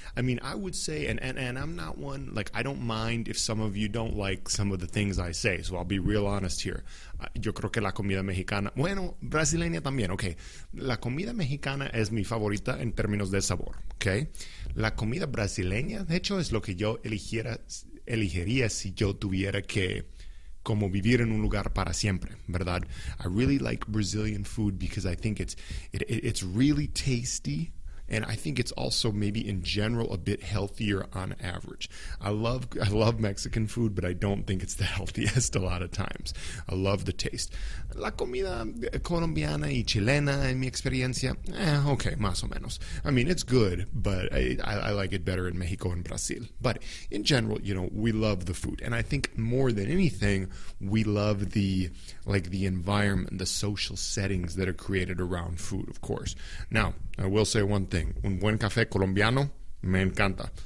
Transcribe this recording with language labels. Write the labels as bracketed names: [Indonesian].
[English] I mean, I would say, and I'm not one, like, I don't mind if some of you don't like some of the things I say, so I'll be real honest here. [Spanish] Yo creo que la comida mexicana, bueno, brasileña también, okay. La comida mexicana es mi favorita en términos de sabor, okay? La comida brasileña, de hecho, es lo que yo elegiría si yo tuviera que como vivir en un lugar para siempre, ¿verdad? [English] I really like Brazilian food because I think it's really tasty, and I think it's also maybe in general a bit healthier on average. I love Mexican food, but I don't think it's the healthiest a lot of times. I love the taste. [Spanish] La comida colombiana y chilena, en mi experiencia, okay, más o menos. [English] I mean, it's good, but I like it better in Mexico and Brazil. But in general, you know, we love the food. And I think more than anything, we love the environment, the social settings that are created around food, of course. Now, I will say one thing. [Spanish] Un buen café colombiano, me encanta.